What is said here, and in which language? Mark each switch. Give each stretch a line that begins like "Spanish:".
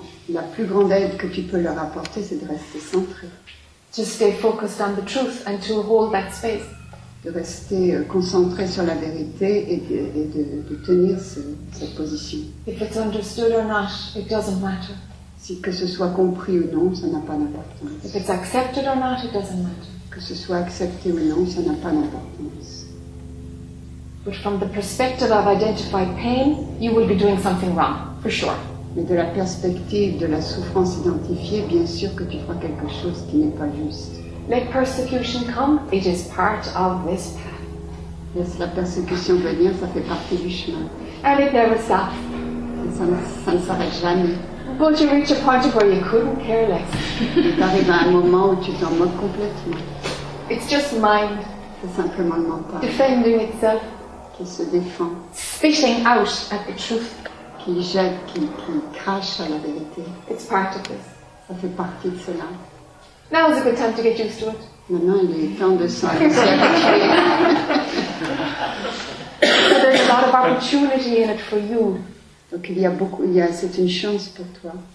French: La plus grande aide que tu peux leur apporter, c'est de rester centré.
English: To stay focused on the truth and to hold that space.
French: De rester concentré sur la vérité et de tenir cette position.
English: If it's understood or not, it doesn't matter.
French: Si que ce soit compris ou non, ça n'a pas d'importance.
English: If it's accepted or not, it doesn't matter.
French: Que ce soit accepté ou non, ça n'a pas d'importance.
English: But from the perspective of identified pain, you will be doing something wrong, for sure.
French: Mais de la perspective de la souffrance identifiée, bien sûr que tu feras quelque chose qui n'est pas juste.
English: Let persecution come, it is part of this path.
French: Laisse la persécution venir, ça fait partie du chemin.
English: And it never stops.
French: Ça ne s'arrête jamais.
English: But you reach a point where you couldn't care less.
French: T'arrives à un moment où tu t'en moques complètement.
English: It's just mind.
French: C'est simplement le mental.
English: Defending itself.
French: Qui se défend.
English: Spitting out at the truth.
French: Qui jette, qui crache à la vérité.
English: It's part of this.
French: Ça fait partie de cela.
English: Now is a good time to get used to it.
French: Maintenant, il est temps de s'en
English: So there's a lot of opportunity in it for you.
French: Donc il y a beaucoup, c'est une chance pour toi.